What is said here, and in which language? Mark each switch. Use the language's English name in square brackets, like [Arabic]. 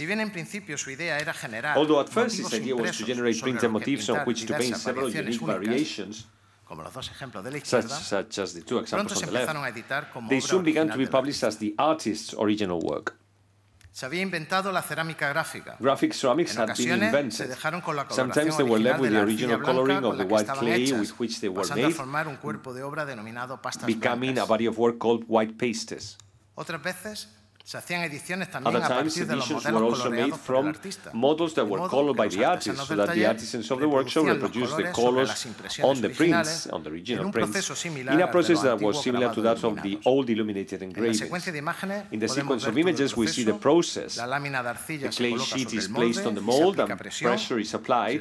[English] Although at first his idea was to generate printed motifs on which to paint several unique variations, such as the two examples on the left, they soon began to be published as the artist's original work. [Spanish] Se había inventado la cerámica gráfica. [English] Graphic ceramics had been invented. Sometimes they were left with the original coloring of the white clay with which they were made, [Spanish] pasando a formar un cuerpo de obra denominado pastas blancas. [English] Becoming a body of work called white pastes. [Spanish] Otras veces se hacían ediciones también a partir de los modelos coloreados por el artista. [English] From models that were colored by the artist, so that the artisans of the workshop reproduced the colors on the prints, on the original prints, in a process that was similar to that of the old illuminated engravings. In the sequence of images, we see the process. The clay sheet is placed on the mold and pressure is applied.